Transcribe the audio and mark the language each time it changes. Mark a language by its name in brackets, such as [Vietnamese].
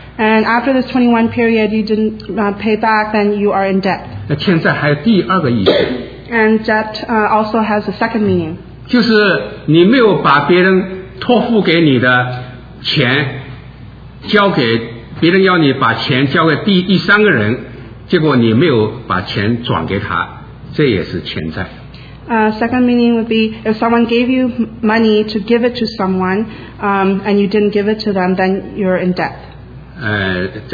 [English] And after this 21 period, you didn't pay back, then you are in debt. [Chinese] 那欠债还有第二个意思。 [English] And debt also has a second meaning. [Chinese] 就是你没有把别人托付给你的钱交给。别人要你把钱交给第三个人，结果你没有把钱转给他，这也是欠债。 [English] Second meaning would be if someone gave you money to give it to someone, and you didn't give it to them, then you're in debt.